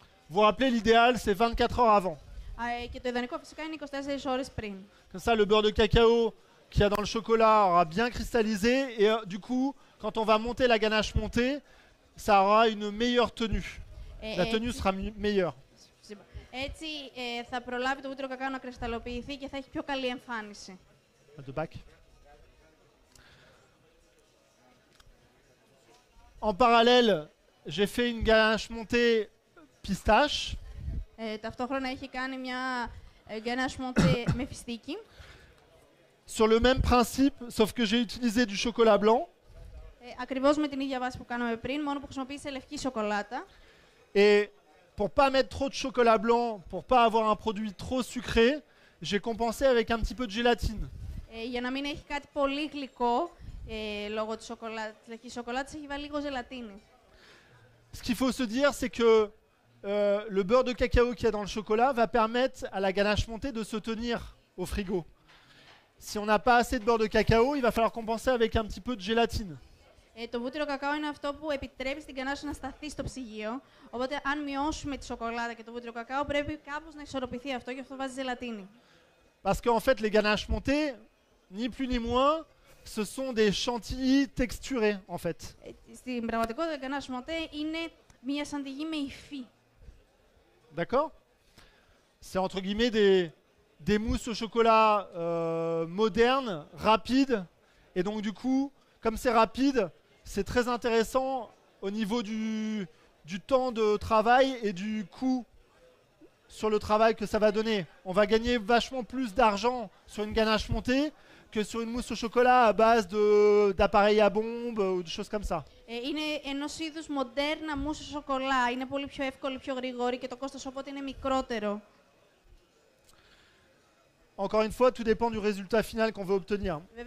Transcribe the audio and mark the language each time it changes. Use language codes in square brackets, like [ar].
[fr] Vous rappelez, l'idéal, c'est 24 heures avant. Comme ça, le beurre de cacao qu'il y a dans le chocolat aura bien cristallisé et du coup, quand on va monter la ganache montée, ça aura une meilleure tenue. La tenue sera meilleure. [el] Έτσι θα προλάβει το βούτυρο κακάο να κρυσταλλοποιηθεί και θα έχει πιο καλή εμφάνιση. [en] At the back. [fr] En parallèle, j'ai fait une ganache montée pistache. [el] Ταυτόχρονα έχει κάνει μια ganache montée mephistiki. [fr] Sur le même principe, sauf que j'ai utilisé du chocolat blanc. [el] Ακριβώς με την ίδια βάση που κάναμε πριν, μόνο που χρησιμοποίησε λευκή σοκολάτα. [fr] Et pour pas mettre trop de chocolat blanc, pour pas avoir un produit trop sucré, j'ai compensé avec un petit peu de gélatine. [el] Για να μην έχει κάτι πολύ γλυκό, λόγω της λευκής σοκολάτας, έχει βάλει λίγο ζελατίνη. [fr] Ce qu'il faut se dire, c'est que le beurre de cacao qu'il y a dans le chocolat va permettre à la ganache montée de se tenir au frigo. Si on n'a pas assez de beurre de cacao, il va falloir compenser avec un petit peu de gélatine. [el] Το βούτυρο κακάο είναι αυτό που επιτρέπει στην γανάση να σταθεί στο ψυγείο. Οπότε, αν μειώσουμε τη σοκολάτα και το βούτυρο κακάο, πρέπει κάπως να ισορροπηθεί αυτό, γι' αυτό βάζει ζελατίνη. [fr] Parce qu'en fait, les ganaches montées, ni plus ni moins, ce sont des chantilly texturées, en fait. [el] Στην πραγματικότητα, η ganache montée είναι μια σαντιγή με υφή. [fr] D'accord? C'est entre guillemets des mousses au chocolat modernes, rapides, et donc du coup. Comme c'est rapide, c'est très intéressant au niveau du temps de travail et du coût sur le travail que ça va donner. On va gagner vachement plus d'argent sur une ganache montée que sur une mousse au chocolat à base d'appareils à bombes ou de choses comme ça. [el] Είναι ενός είδους moderna mousse au chocolat. Είναι πολύ πιο εύκολη, πιο γρήγορη και το κόστος οπότε είναι μικρότερο. [fr] Encore une fois, tout dépend du résultat final qu'on veut obtenir.